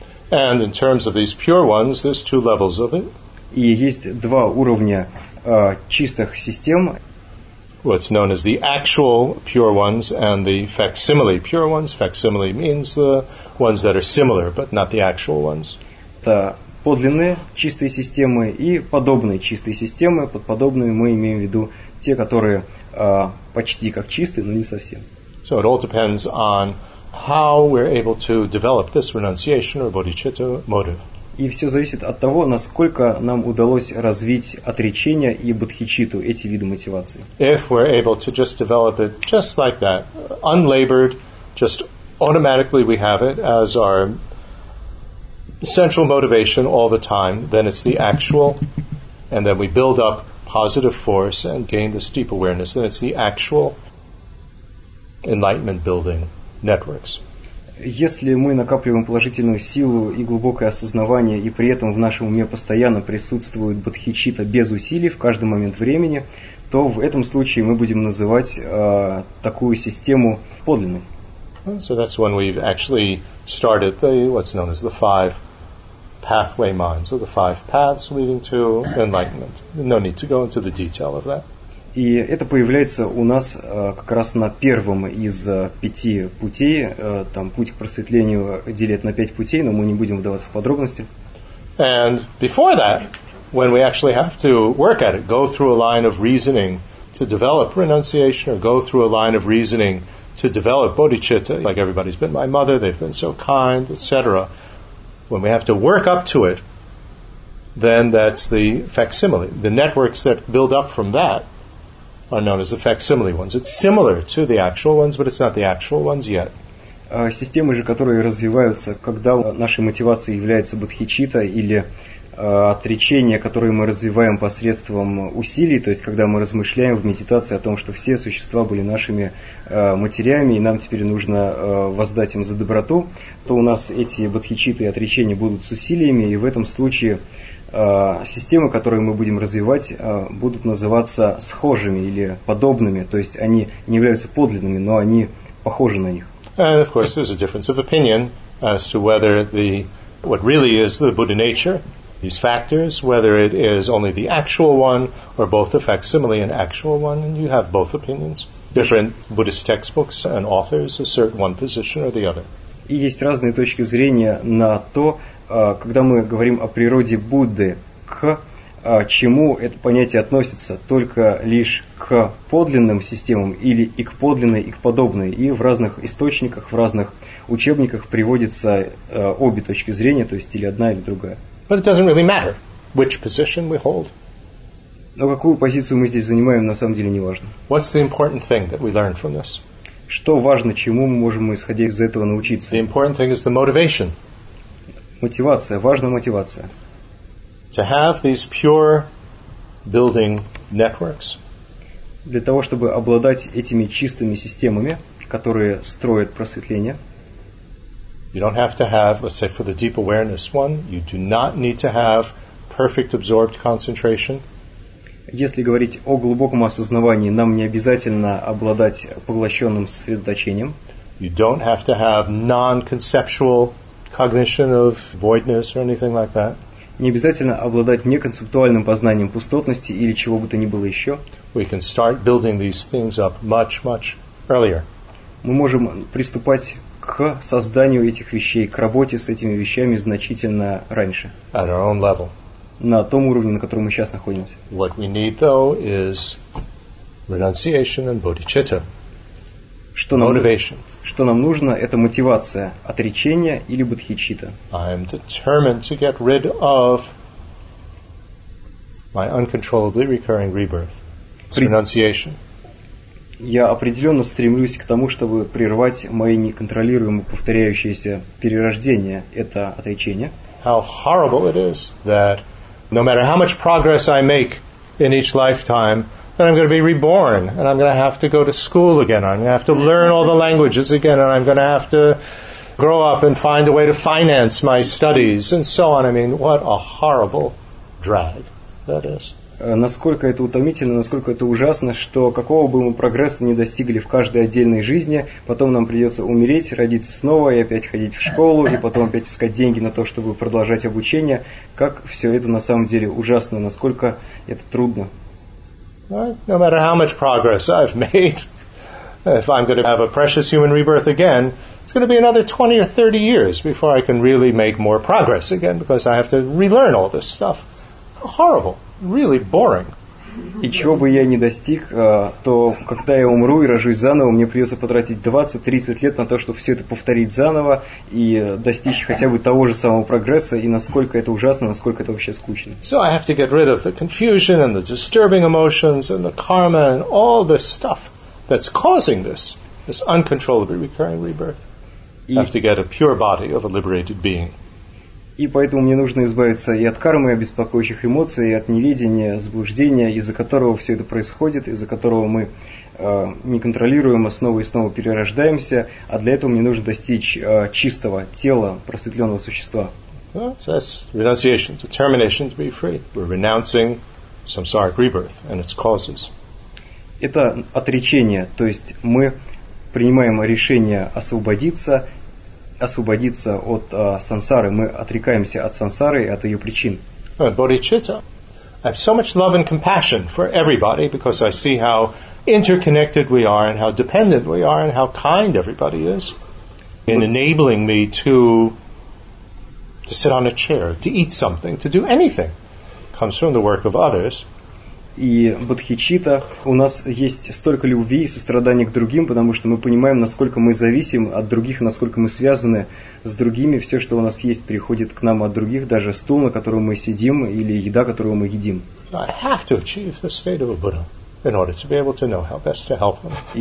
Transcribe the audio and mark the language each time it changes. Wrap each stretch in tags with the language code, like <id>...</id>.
<en>And in terms of these pure ones, there's two levels of it.</en> <ru>И есть два уровня чистых систем.</ru> <en>What's known as the actual pure ones and the facsimile pure ones. Facsimile means the ones that are similar, but not the actual ones.</en> <ru>Это подлинные чистые системы и подобные чистые системы. Под подобными мы имеем в виду те, которые почти как чистые, но не совсем.</ru> <en>So it all depends on how we're able to develop this renunciation or bodhicitta motive.</en> <ru>И все зависит от того, насколько нам удалось развить отречение и бодхичитту, эти виды мотивации.</ru> <en>If we're able to just develop it just like that, unlabored, just automatically we have it as our central motivation all the time, then it's the actual, and then we build up positive force and gain this deep awareness, then it's the actual enlightenment building networks.</en> <ru>Если мы накапливаем положительную силу и глубокое осознавание, и при этом в нашем уме постоянно присутствует бодхичитта без усилий в каждый момент времени, то в этом случае мы будем называть такую систему подлинной.</ru> <en>So that's when we've actually started the what's known as the five pathway minds, or the five paths leading to enlightenment. No need to go into the detail of that.</en> <ru>И это появляется у нас как раз на первом из пяти путей. Там путь к просветлению делят на пять путей, но мы не будем вдаваться в подробности.</ru> <en>And before that, when we actually have to work at it, go through a line of reasoning to develop renunciation, or go through a line of reasoning to develop bodhicitta, like everybody's been my mother, they've been so kind, etc. When we have to work up to it, then that's the facsimile. The networks that build up from that are known as the facsimile ones. It's similar to the actual ones, but it's not the actual ones yet.</en> <ru>Системы же, которые развиваются, когда нашей мотивацией является бодхичитта или отречение, которое мы развиваем посредством усилий, то есть когда мы размышляем в медитации о том, что все существа были нашими матерями, и нам теперь нужно воздать им за доброту, то у нас эти бодхичитты и отречения будут с усилиями, и в этом случае системы, которые мы будем развивать, будут называться схожими или подобными, то есть они не являются подлинными, но они похожи на них.</ru> <en>And of course there's a difference of opinion as to whether the what really is the Buddha nature, these factors, whether it is only the actual one or both the facsimile and actual one, and you have both opinions. Different Buddhist textbooks and authors assert one position or the other.</en> <ru>И есть разные точки зрения на то, когда мы говорим о природе Будды, к чему это понятие относится, только лишь к подлинным системам или и к подлинной, и к подобной. И в разных источниках, в разных учебниках приводятся обе точки зрения, то есть или одна, или другая.</ru> <en>But it doesn't really matter which position we hold.</en> <ru>Но какую позицию мы здесь занимаем, на самом деле не важно.</ru> <en>What's the important thing that we learn from this?</en> <ru>Что важно, чему мы можем, исходя из этого, научиться?</ru> <en>The important thing is the motivation.</en> <ru>Мотивация, важна мотивация.</ru> <en>To have these pure building networks.</en> <ru>Для того, чтобы обладать этими чистыми системами, которые строят просветление.</ru> <en>You don't have to have, let's say, for the deep awareness one, you do not need to have perfect absorbed concentration.</en> <ru>Если говорить о глубоком осознавании, нам не обязательно обладать поглощенным сосредоточением.</ru> <en>You don't have to have non-conceptual cognition of voidness or anything like that.</en> <ru>Не обязательно обладать неконцептуальным познанием пустотности или чего бы то ни было еще.</ru> <en>We can start building these things up much, much earlier.</en> <ru>Мы можем приступать к созданию этих вещей, к работе с этими вещами значительно раньше.</ru> <en>At our own level.</en> <ru>На том уровне, на котором мы сейчас находимся.</ru> <en>What we need, though, is renunciation and bodhicitta.</en> <ru>Что нам нужно, это мотивация, отречение или бодхичитта.</ru> <en>I am determined to get rid of my uncontrollably recurring rebirth. Renunciation.</en> <ru>Я определенно стремлюсь к тому, чтобы прервать мои неконтролируемо повторяющиеся перерождения. Это отречение.</ru> <en>How horrible it is that no matter how much progress I make in each lifetime, then I'm going to be reborn, and I'm going to have to go to school again, I'm going to have to learn all the languages again, and I'm going to have to grow up and find a way to finance my studies, and so on. I mean, what a horrible drag that is.</en> <ru>Насколько это утомительно, насколько это ужасно, что какого бы мы прогресса не достигли в каждой отдельной жизни, потом нам придется умереть, родиться снова, и опять ходить в школу, и потом опять искать деньги на то, чтобы продолжать обучение. Как все это на самом деле ужасно, насколько это трудно.</ru> <en>No matter how much progress I've made, if I'm going to have a precious human rebirth again, it's going to be another 20 or 30 years before I can really make more progress again, because I have to relearn all this stuff. How horrible. Really boring.</en> <ru>И чего бы я ни достиг, то когда я умру и рожусь заново, мне придется потратить 20-30 лет на то, чтобы все это повторить заново и достичь хотя бы того же самого прогресса, и насколько это ужасно, насколько это вообще скучно.</ru> <en>So I have to get rid of the confusion and the disturbing emotions and the karma and all this stuff that's causing this uncontrollably recurring rebirth. I have to get a pure body of a liberated being.</en> <ru>И поэтому мне нужно избавиться и от кармы, и от беспокоящих эмоций, и от неведения, заблуждения, из-за которого все это происходит, из-за которого мы неконтролируемо снова и снова перерождаемся, а для этого мне нужно достичь чистого тела просветленного существа.</ru> <en>So that's renunciation, determination to be free. We're renouncing samsaric rebirth and its causes.</en> <ru>Это отречение, то есть мы принимаем решение освободиться от сансары, мы отрекаемся от сансары и от ее причин.</ru> <en>Bodhicitta. I have so much love and compassion for everybody because I see how interconnected we are and how dependent we are and how kind everybody is in enabling me to sit on a chair, to eat something, to do anything. It comes from the work of others.</en> <ru>И в бодхичиттах у нас есть столько любви и сострадания к другим, потому что мы понимаем, насколько мы зависим от других, насколько мы связаны с другими. Все, что у нас есть, приходит к нам от других, даже стул, на котором мы сидим, или еда, которую мы едим.</ru> <en>I have to achieve the state of a Buddha in order to be able to know how best to help them.</en>